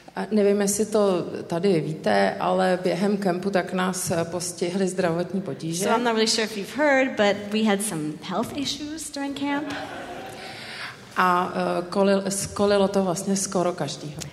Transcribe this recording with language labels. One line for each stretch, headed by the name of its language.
Czech: Nevím, jestli to tady víte, ale během kempu tak nás postihly zdravotní potíže.
English: So I'm not really sure if you've heard, but we had some health issues during camp.
Czech: A skolilo to vlastně skoro každýho.